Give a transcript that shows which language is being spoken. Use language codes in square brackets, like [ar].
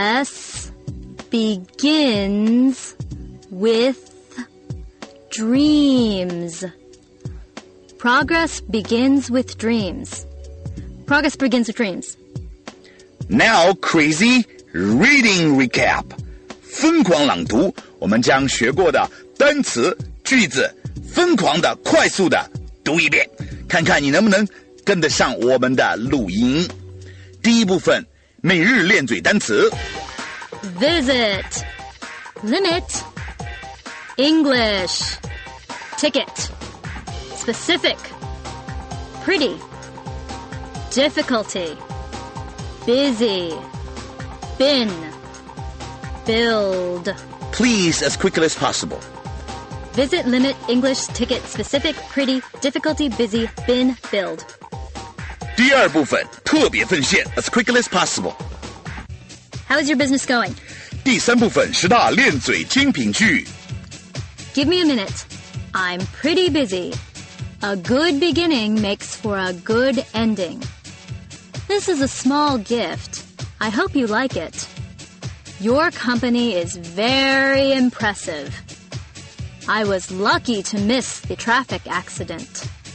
[en] Progress begins with dreams. Progress begins with dreams. Progress begins with dreams. Now, crazy reading recap. [zh] 疯狂朗读，我们将学过的单词、句子疯狂的、快速的读一遍，看看你能不能跟得上我们的录音。第一部分，每日练嘴单词。 [en] Visit, limit, English, ticket, specific, pretty, difficulty, busy, bin, build. Please, as quickly as possible. Visit, limit, English, ticket, specific, pretty, difficulty, busy, bin, build. [zh] 第二部分，特别奉献 [en] as quickly as possible. How is your business going? [zh] 第三部分十大练嘴精品句。 [en] Give me a minute. I'm pretty busy. A good beginning makes for a good ending. This is a small gift. I hope you like it. Your company is very impressive. I was lucky to miss the traffic accident.